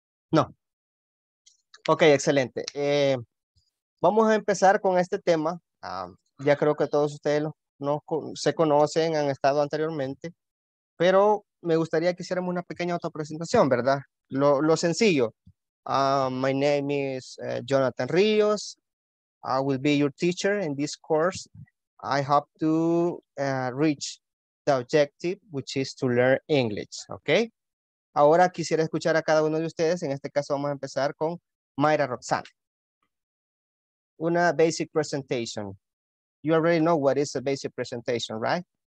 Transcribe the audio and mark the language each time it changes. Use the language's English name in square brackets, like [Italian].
[Spanish] No. Ok, excelente. Vamos a empezar con este tema. Ya creo que todos ustedes se conocen, han estado anteriormente, pero me gustaría que hiciéramos una pequeña autopresentación, ¿verdad? Lo sencillo. [English] My name is Jonathan Ríos. I will be your teacher in this course. I hope to reach the objective, which is to learn English, ¿ok? [Spanish] Ahora quisiera escuchar a cada uno de ustedes. En este caso vamos a empezar con Mayra Roxanne. [English] Una basic presentation. You already know what is a basic presentation, right?